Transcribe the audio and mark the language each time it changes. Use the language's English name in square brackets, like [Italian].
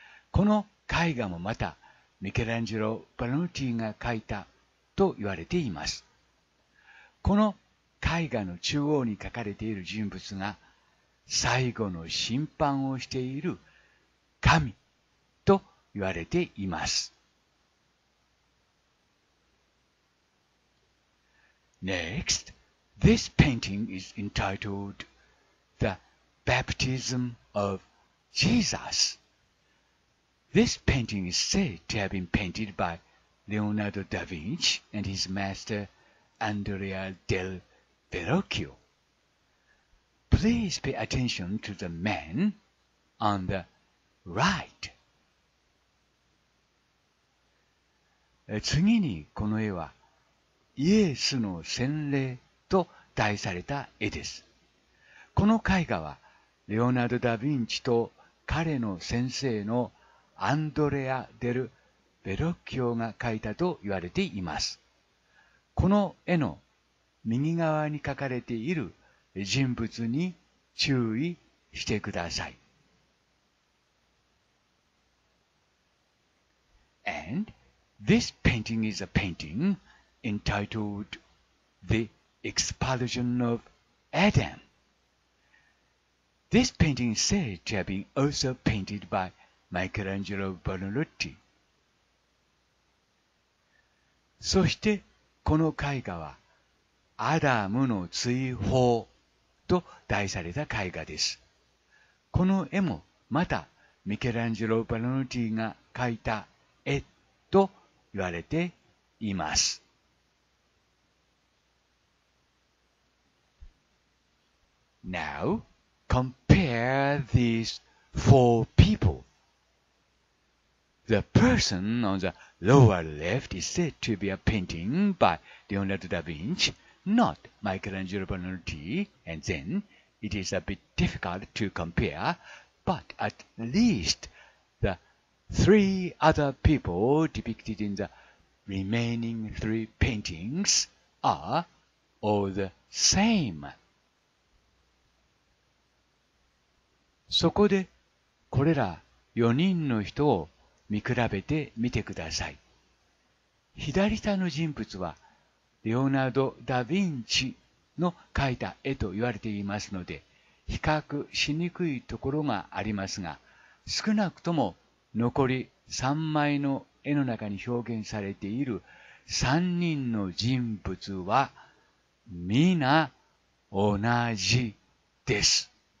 [Japanese] この絵画もまたミケランジェロ・バラノッティが描いたと言われています。この絵画の中央に描かれている人物が最後の審判をしている神と言われています。 [English] Next, this painting is entitled The Baptism of Jesus. This painting is said to have been painted by Leonardo da Vinci and his master Andrea del Verrocchio. Please pay attention to the man on the right. [Japanese] 次にこの絵はイエスの洗礼と題された絵です。この絵画はレオナルド・ダ・ヴィンチと彼の先生のアンドレア・デル・ベロッキオが描いたと言われています。この絵の右側に描かれている人物に注意してください。 [English] And this painting is a paintingEntitled The Expulsion of Adam. This painting is said to have been also painted by Michelangelo Buonarroti. [Japanese] そしてこの絵画はアダムの追放と題された絵画です。この絵もまたミケランジェロ・バルノッティが描いた絵と言われています。 [English] Now, compare these four people. The person on the lower left is said to be a painting by Leonardo da Vinci, not Michelangelo Buonarroti, and then it is a bit difficult to compare, but at least the three other people depicted in the remaining three paintings are all the same. [Japanese] そこで、これら4人の人を見比べてみてください。左下の人物は、レオナルド・ダ・ヴィンチの描いた絵と言われていますので、比較しにくいところがありますが、少なくとも残り3枚の絵の中に表現されている3人の人物は、皆同じです。